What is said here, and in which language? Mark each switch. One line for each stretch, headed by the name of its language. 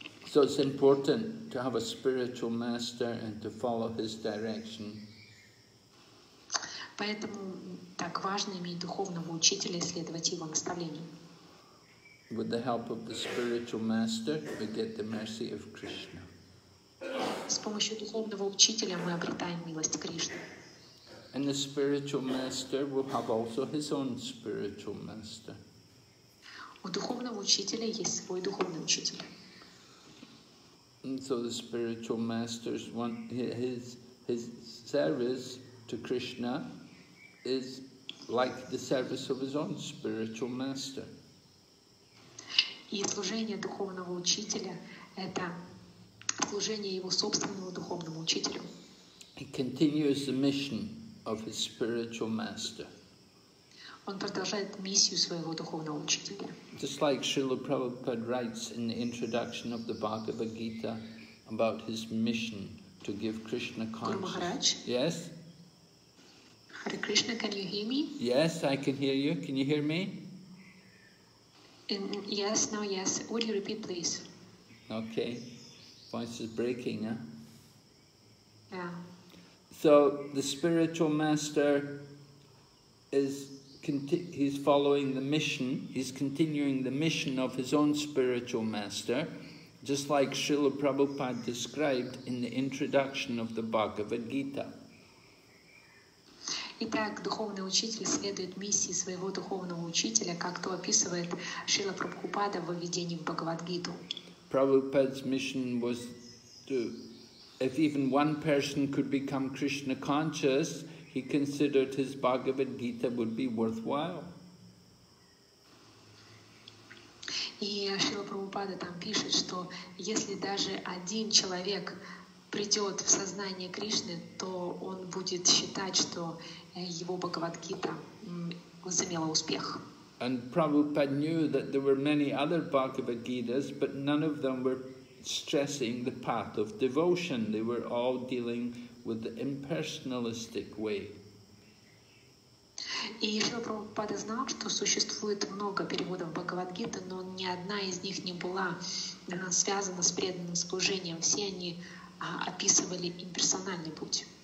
English: So it's important to have a spiritual master and to follow his direction.
Russian: Поэтому так важно иметь духовного учителя и следовать его наставлениям.
English: With the help of the spiritual master, we get the mercy of Krishna.
Russian: С помощью духовного учителя мы обретаем милость Кришны.
English: And the spiritual master will have also his own spiritual master.
Russian: У духовного учителя есть свой духовный учитель.
English: And so the spiritual master's one, his service to Krishna is like the service of his own spiritual master.
Russian: И служение духовного учителя — это служение его собственному духовному учителю.
English: He continues the mission of his spiritual master.
Russian: Он продолжает миссию своего духовного учителя.
English: Just like Srila Prabhupada writes in the introduction of the Bhagavad Gita about his mission to give Krishna consciousness. Guru Maharaj? Yes? Hare Krishna, can you hear me? Yes, I can hear you. Can you hear me? Yes. Would you repeat, please? Okay. Voice is breaking, huh? Yeah. So, the spiritual master is he's following the mission, he's continuing the mission of his own spiritual master, just like Srila Prabhupada described in the introduction of the Bhagavad Gita.
Russian: Итак, духовный учитель следует миссии своего духовного учителя, как то описывает Шрила Прабхупада в введении в Бхагавад-гиту.
English: Prabhupada's mission was to, if even one person could become Krishna conscious, he considered his Bhagavad Gita would be worthwhile.
Russian: И Шрила Прабхупада там пишет, что если даже один человек придет в сознание Кришны, то он будет считать, что его Бхагавад-гита возымела успех.
English: And Prabhupada knew that there were many other Bhagavad-gitas, but none of them were stressing the path of devotion. They were all dealing with the impersonalistic way.
Russian: И Шрила Прабхупада знал, что существует много переводов Бхагавадгиты, но ни одна из них не была связана с преданным служением. Все они описывали имперсональный путь.